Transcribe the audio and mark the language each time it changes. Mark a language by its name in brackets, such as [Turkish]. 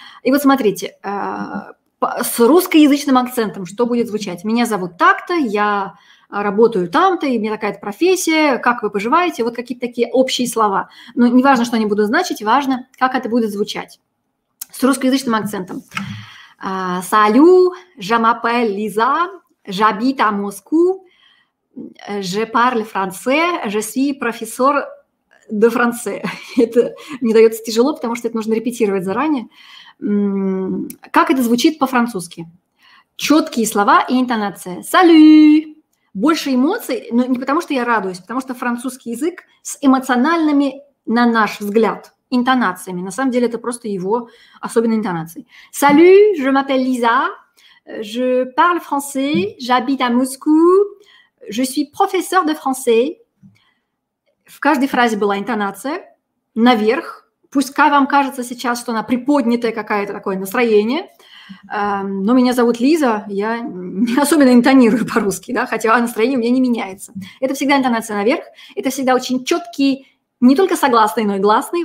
[Russian] И вот смотрите, с русскоязычным акцентом что будет звучать? Меня зовут так-то, я работаю там-то, и у меня такая-то профессия, как вы поживаете? Вот какие-то такие общие слова. Но не важно, что они будут значить, важно, как это будет звучать. С русскоязычным акцентом. [French] Салю, je m'appelle Lisa, j'habite à Moscou, je parle français, je suis professeur de français. [Russian] Это мне дается тяжело, потому что это нужно репетировать заранее. Как это звучит по-французски? Четкие слова и интонация. Салю! Больше эмоций, но не потому что я радуюсь, потому что французский язык с эмоциональными, на наш взгляд, интонациями. На самом деле это просто его особенные интонации. [French] Salut, je m'appelle Lisa, je parle français, j'habite à Moscou, je suis professeur de français. [Russian] В каждой фразе была интонация наверх. Пускай вам кажется сейчас, что она приподнятая какая-то такое настроение. Но меня зовут Лиза, я не особенно интонирую по-русски, да, хотя настроение у меня не меняется. Это всегда интонация наверх, это всегда очень четкий. Не только согласные, но и гласные.